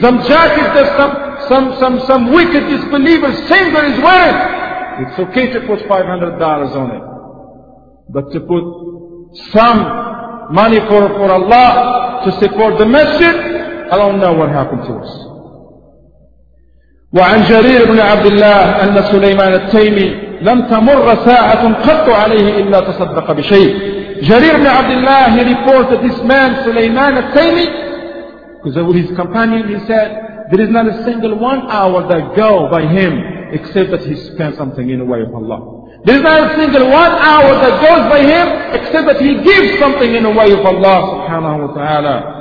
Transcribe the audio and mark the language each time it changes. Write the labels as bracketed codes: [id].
[en] Some jackets that some wicked disbeliever, sinner is wearing. It's okay to put $500 on it. But to put some money for Allah to support the masjid, I don't know what happened to us. [ar] وعن جرير بن عبد الله أن سليمان التيمي لم تمر ساعة قط عليه إلا تصدق بشيء [en] Jarir ibn Abdullah, he reported this man, Sulaiman al-Taymi, because with his companion, he said, there is not a single 1 hour that go by him, except that he spends something in the way of Allah. There is not a single 1 hour that goes by him, except that he gives something in the way of Allah, subhanahu wa ta'ala.